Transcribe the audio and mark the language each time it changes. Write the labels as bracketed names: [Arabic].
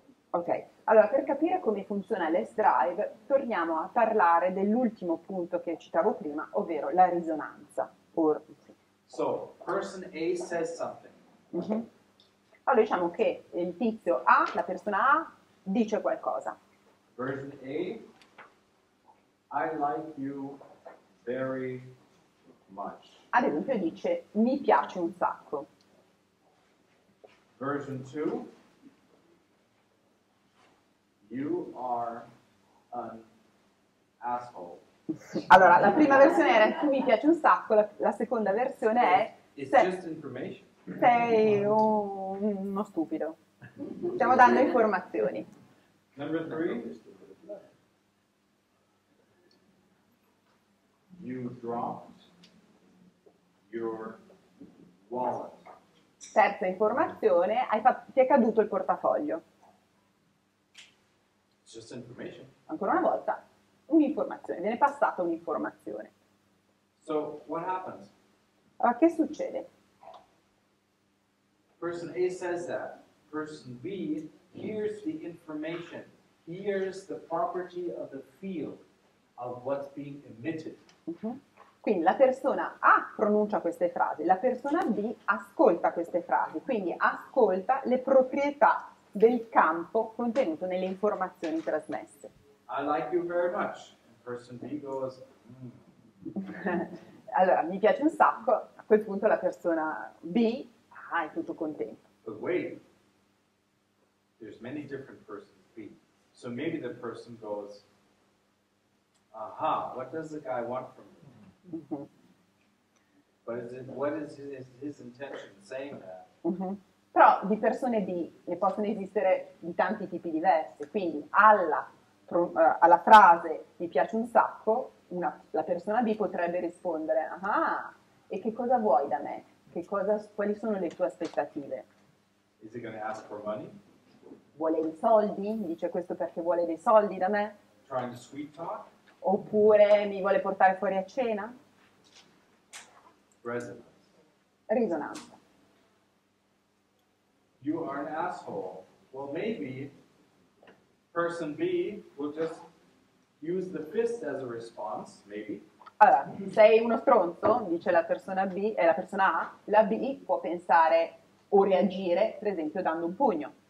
[Italian] Ok, allora per capire come funziona l'S-Drive torniamo a parlare dell'ultimo punto che citavo prima, ovvero la risonanza. [English] So, person A says something. [Italian] Allora diciamo che il tizio A, la persona A, dice qualcosa. [English] Person A, I like you very much. [Italian] Ad esempio dice, mi piace un sacco. [English] Version 2, you are an asshole. [Italian] Allora, la prima versione era tu mi piace un sacco, la seconda versione è [English] it's just information. [Italian] Sei uno stupido. Stiamo dando informazioni. [English] Number three. You dropped your wallet. [Italian] Terza informazione, ti è caduto il portafoglio. [English] It's just information. [Italian] Ancora una volta, un'informazione, viene passata un'informazione. [English] So what happens? [Italian] Ma che succede? [English] Person A says that. Person B hears the information, hears the property of the field of what's being emitted. [Italian] Quindi la persona A pronuncia queste frasi, la persona B ascolta queste frasi, quindi ascolta le proprietà del campo contenuto nelle informazioni trasmesse. [English] I like you very much. And person B goes, [Italian] Allora, mi piace un sacco, a quel punto la persona B è tutto contento. [English] But wait, there's many different persons B. So maybe the person goes, aha, what does the guy want from me? What is his intention saying that? [Italian] Però di persone B ne possono esistere di tanti tipi diversi, quindi alla frase mi piace un sacco, la persona B potrebbe rispondere, ah, e che cosa vuoi da me? Quali sono le tue aspettative? [English] Is he going to ask for money? [Italian] Vuole dei soldi? Dice questo perché vuole dei soldi da me? [English] Trying to sweet talk? [Italian] Oppure mi vuole portare fuori a cena? [English] Resonance. [Italian] Risonanza. [English] You are an asshole. Well, maybe person B will just use the fist as a response, maybe. [Italian] Allora, sei uno stronzo, dice la persona B, e la persona A, la B può pensare o reagire, per esempio, dando un pugno.